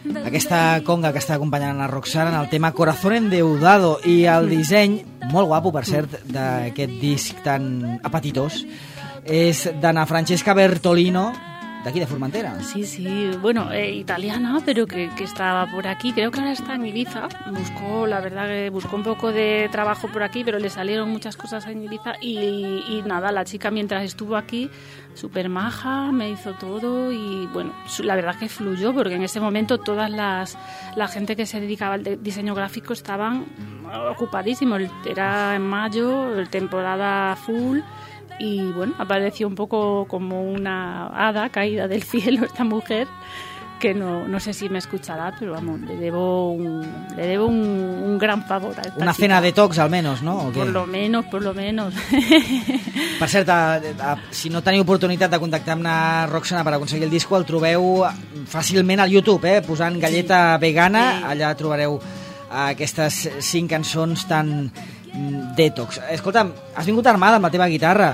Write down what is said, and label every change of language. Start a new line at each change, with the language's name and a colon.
Catalan: Aquesta conga que està acompanyant a Roxana en el tema Corazón Endeudado, i el disseny, molt guapo per cert, d'aquest disc tan apetitós, és d'Anna Francesca Bertolino, d'aquí, de Formentera.
Spanish: Sí, sí, bueno, italiana, pero que estaba por aquí, creo que ahora está en Ibiza, buscó, la verdad que buscó un poco de trabajo por aquí, pero le salieron muchas cosas en Ibiza, y nada, la chica mientras estuvo aquí, súper maja, me hizo todo, y bueno, la verdad que fluyó, porque en ese momento todas la gente que se dedicaba al diseño gráfico estaban ocupadísimos, era en mayo, temporada full. Y bueno, apareció un poco como una hada caída del cielo esta mujer, que no sé si me escuchará, pero vamos, le debo un gran favor a esta una chica. Cena detox al menos, ¿no? Por lo menos, por lo menos.
Catalan: Per cert, si no teniu oportunitat de contactar amb la Roxana per aconseguir el disco, el trobeu fàcilment al YouTube, posant Galleta sí. Vegana, sí. Allà trobareu aquestes 5 cançons tan detox. Escolta'm, has vingut armada amb la teva guitarra.